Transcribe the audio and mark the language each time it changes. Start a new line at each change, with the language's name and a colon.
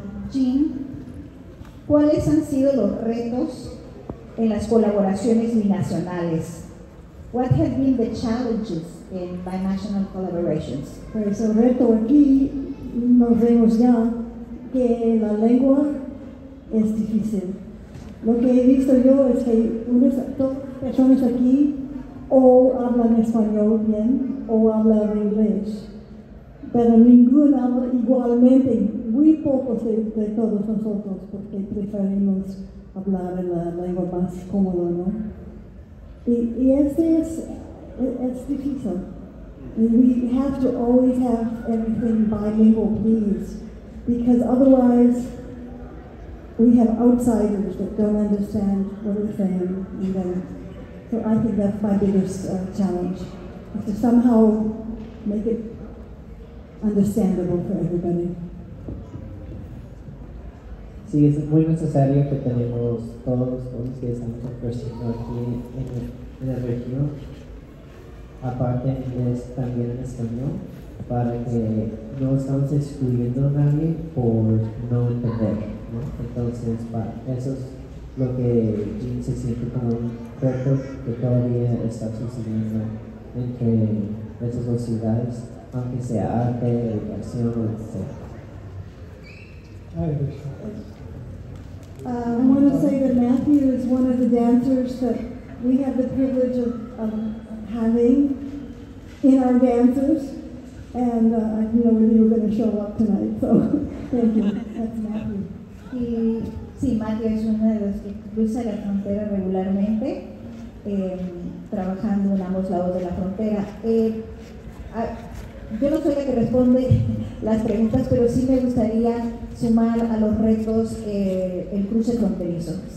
Spanish: Jean, ¿cuáles han sido los retos en las colaboraciones binacionales?
English: What have been the challenges in binational collaborations?
Spanish: Pues el reto aquí, nos vemos ya, que la lengua es difícil. Lo que he visto yo es que unas personas aquí o hablan español bien, o hablan inglés. Pero ninguno habla igualmente, muy pocos de todos nosotros, porque preferimos hablar en la lengua más cómoda, ¿no? Y este es difícil.
English: We have to always have everything bilingual, please. Because otherwise, we have outsiders that don't understand what we're saying, and then, so I think that's my biggest challenge, is to somehow make it understandable for everybody.
Spanish: Sí, es muy necesario que tenemos todos los que estamos ofreciendo aquí en la región, aparte en inglés, también en español, para que no estamos excluyendo a nadie por no entender, ¿no? Entonces, eso es lo que Jean se siente como un reto que todavía está sucediendo entre esas dos ciudades, aunque sea arte, educación, etc.
English: Hi, I want to say that Matthew is one of the dancers that we have the privilege of having in our dancers, and I didn't know when you were going to show up tonight, so thank you. That's Matthew.
Spanish: Sí, Matthew es uno de los que cruza la frontera regularmente, trabajando en ambos lados de la frontera. Yo no soy la que responde las preguntas, pero sí me gustaría sumar a los retos el cruce fronterizo.